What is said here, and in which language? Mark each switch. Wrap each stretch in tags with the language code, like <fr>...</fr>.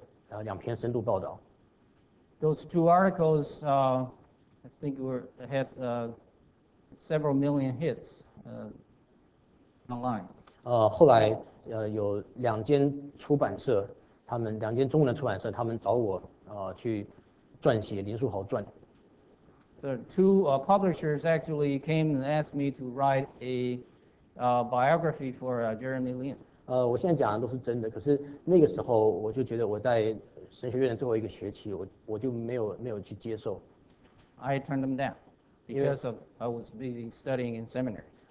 <zh>那篇文章，那两篇文章后来都被都有这个几百万的点击率，在中文世界里面算是最早的两篇深度报道。</zh> <en>Those two articles, I think, had several million hits online.</en> <zh>后来。有两间出版社, 他们, 两间中文的出版社, 他们找我, 去撰写林书豪传。</zh> <en>The two publishers actually came and asked me to write a biography for Jeremy Lin.</en> <zh>我现在讲的都是真的, 可是那个时候我就觉得我在神学院的最后一个学期, 我就没有去接受。</zh> <en>I turned them down because of, I was busy studying in seminary.</en>